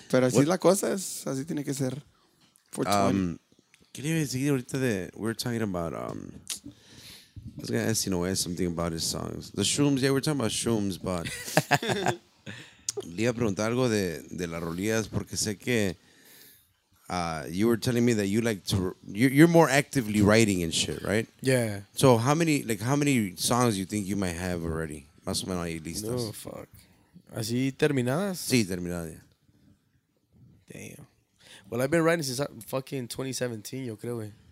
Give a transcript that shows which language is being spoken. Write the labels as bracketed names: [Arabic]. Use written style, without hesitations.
[Spanish] Pero así es la cosa, así tiene que ser. ¿Qué le iba a decir ahorita de? [English] We're talking about. I was going to ask Sinoé something about his songs. The shrooms, yeah, we're talking about shrooms, but. [Spanish] Le iba a preguntar algo de las rolías, porque sé que. [English] You were telling me that you like to. You're more actively writing and shit, right? Yeah. So how many songs do you think you might have already? [Spanish] Más o menos ahí listas. No, fuck. ¿Así terminadas? Sí, terminadas. Yeah. [English] Damn. Well, I've been writing since fucking 2017, [Spanish] yo creo.